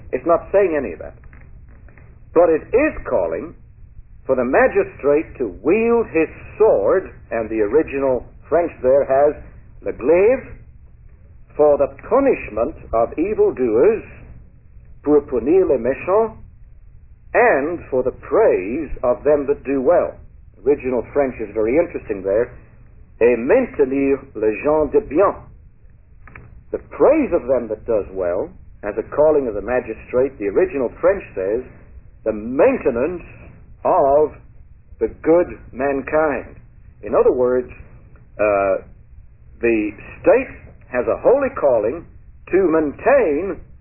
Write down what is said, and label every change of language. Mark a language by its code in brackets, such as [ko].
[en] It's not saying any of that. But it is calling for the magistrate to wield his sword, and the original French there has le glaive, for the punishment of evildoers, [fr] pour punir les méchants, [en] and for the praise of them that do well. Original French is very interesting there. [fr] Et maintenir les gens de bien. [en] The praise of them that does well, as a calling of the magistrate, the original French says, the maintenance of the good mankind. In other words, the state has a holy calling to maintain